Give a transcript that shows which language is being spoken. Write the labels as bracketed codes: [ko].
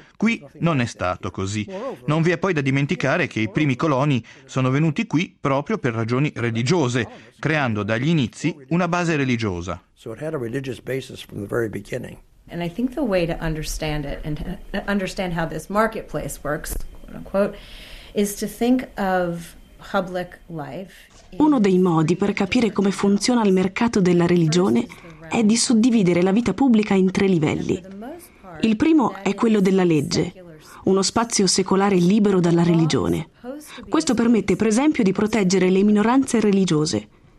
[it] Qui non è stato così. Non vi è poi da dimenticare che i primi coloni sono venuti qui proprio per ragioni religiose, creando dagli inizi una base religiosa. [en] So it had a religious basis from the very beginning. And I think the way to understand it and understand how this marketplace works, quote unquote, is to think of public life. [it] Uno dei modi per capire come funziona il mercato della religione è di suddividere la vita pubblica in tre livelli. Il primo è quello della legge, uno spazio secolare libero dalla religione. Questo permette, per esempio, di proteggere le minoranze religiose.